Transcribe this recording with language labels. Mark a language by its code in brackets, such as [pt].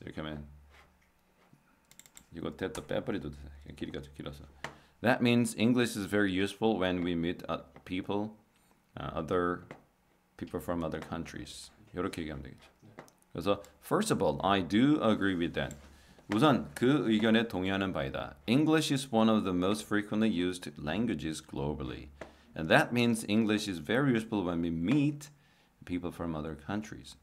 [ko] 이렇게 하면 이거 됐다 빼버리도 돼. 길이가 좀 길어서. [en] That means English is very useful when we meet people other people from other countries. [ko] 이렇게 얘기하면 되겠죠. 그래서 [en] first of all, I do agree with that. [ko] 우선 그 의견에 동의하는 바이다. [en] English is one of the most frequently used languages globally. And that means English is very useful when we meet people from other countries.